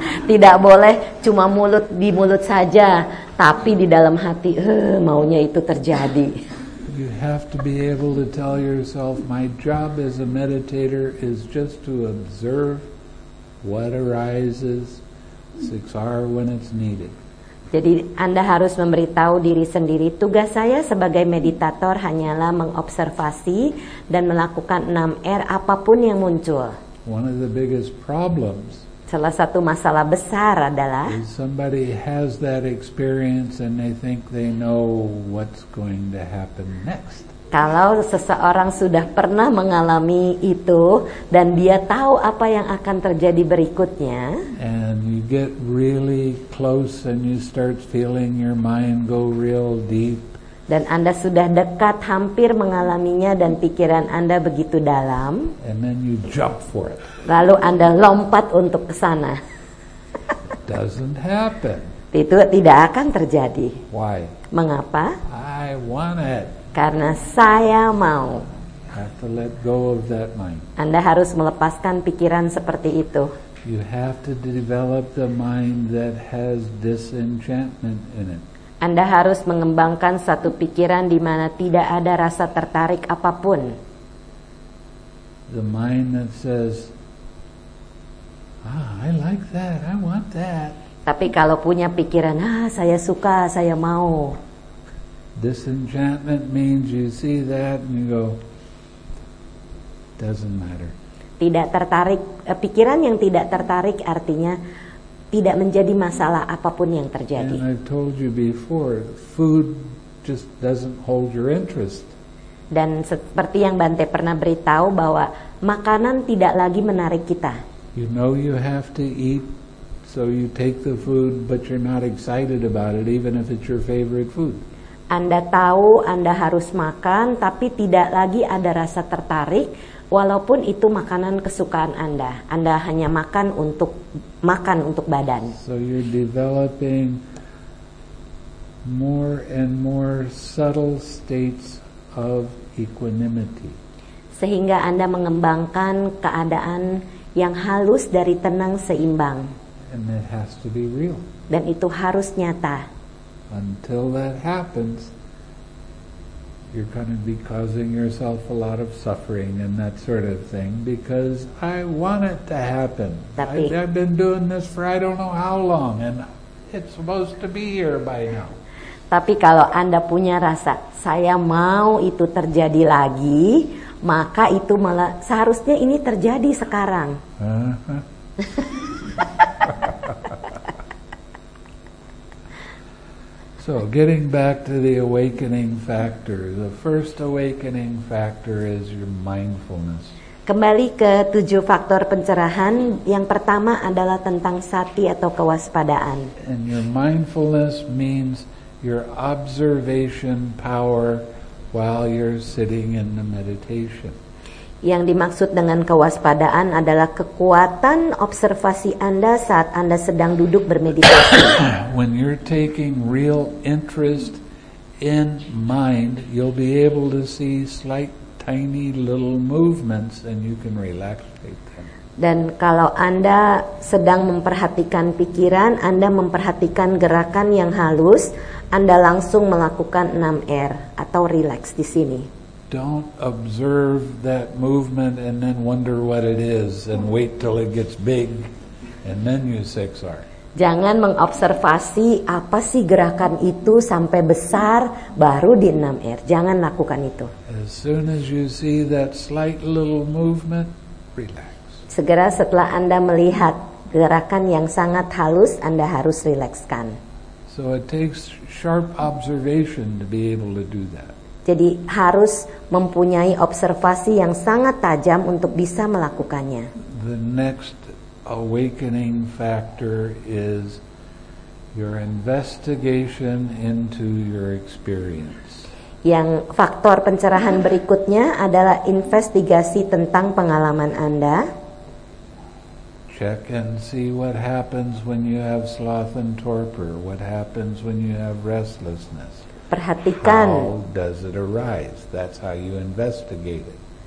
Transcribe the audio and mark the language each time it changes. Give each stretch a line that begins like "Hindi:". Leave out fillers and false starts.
Indonesian: Tidak boleh cuma mulut di mulut saja, tapi di dalam hati, maunya itu terjadi.
English: You have to be able to tell yourself, "My job as a meditator is just to observe what arises, siksar when it's needed."
Indonesian: Jadi Anda harus memberitahu diri sendiri, tugas saya sebagai meditator hanyalah mengobservasi dan melakukan 6R apapun yang muncul.
English: One of the biggest problems.
Indonesian: Salah satu masalah besar adalah
English: somebody has that experience and they think they know what's going to happen next.
Indonesian: Kalau seseorang sudah pernah mengalami itu dan dia tahu apa yang akan terjadi berikutnya,
English: and you get really close and you start feeling your mind go real deep.
Indonesian: Dan Anda sudah dekat hampir mengalaminya dan pikiran Anda begitu dalam.
English: And then you jump for it.
Indonesian: Lalu Anda lompat untuk ke sana.
English: Doesn't happen.
Indonesian: Itu tidak akan terjadi.
English: Why?
Indonesian: Mengapa?
English: I want it.
Indonesian: Karena saya mau.
English: Have to let go of that mind.
Indonesian: Anda harus melepaskan pikiran seperti itu.
English: You have to develop the mind that has disenchantment in it.
Indonesian: Anda harus mengembangkan satu pikiran di mana tidak ada rasa tertarik apapun.
English: The mind that says, "Ah, I like that, I want that."
Indonesian: Tapi kalau punya pikiran, saya suka, saya mau.
English: Disenchantment means you see that and you go, doesn't matter.
Indonesian: Tidak tertarik, pikiran yang tidak tertarik artinya tidak menjadi masalah apapun yang terjadi.
English: And I've told you before, food just doesn't hold your interest.
Indonesian: Dan seperti yang Bante pernah beritahu bahwa makanan tidak lagi menarik kita.
English: You know you have to eat So you take the food, but you're not excited about it, even if it's your favorite food.
Indonesian: Anda tahu Anda harus makan, tapi tidak lagi ada rasa tertarik, walaupun itu makanan kesukaan Anda. Anda hanya makan untuk makan untuk badan.
English: So you're developing more and more subtle states of equanimity.
Indonesian: Sehingga Anda mengembangkan keadaan yang halus dari tenang seimbang.
English: And it has to be real.
Indonesian: Dan itu harus nyata.
English: Until that happens, you're going to be causing yourself a lot of suffering and that sort of thing, because I want it to happen.
Indonesian: Tapi,
English: I've been doing this for I don't know how long, and it's supposed to be here by now.
Indonesian: Tapi kalau Anda punya rasa, saya mau itu terjadi lagi, maka itu malah, seharusnya ini terjadi sekarang.
English: So, getting back to the awakening factor, the first awakening factor is your mindfulness.
Indonesian: Kembali ke tujuh faktor pencerahan, yang pertama adalah tentang sati atau kewaspadaan.
English: And your mindfulness means your observation power while you're sitting in the meditation.
Indonesian: Yang dimaksud dengan kewaspadaan adalah kekuatan observasi Anda saat Anda sedang duduk bermeditasi.
English: When you're taking real interest in mind, you'll be able to see slight tiny little movements and you can relaxate them.
Indonesian: Dan kalau Anda sedang memperhatikan pikiran, Anda memperhatikan gerakan yang halus, Anda langsung melakukan 6R atau relax di sini.
English: Don't observe that movement and then wonder what it is and wait till it gets big and then use 6R.
Indonesian: Jangan mengobservasi apa sih gerakan itu sampai besar baru di 6R. Jangan lakukan itu.
English: As soon as you see that slight little movement, relax.
Indonesian: Segera setelah Anda melihat gerakan yang sangat halus, Anda harus rilekskan.
English: So it takes sharp observation to be able to do that.
Indonesian: Jadi harus mempunyai observasi yang sangat tajam untuk bisa melakukannya.
English: The next awakening factor is your investigation into your experience.
Indonesian: Yang faktor pencerahan berikutnya adalah investigasi tentang pengalaman Anda.
English: Check and see what happens when you have sloth and torpor, what happens when you have restlessness.
Indonesian: Perhatikan.
English: How does it arise? That's how you investigate it.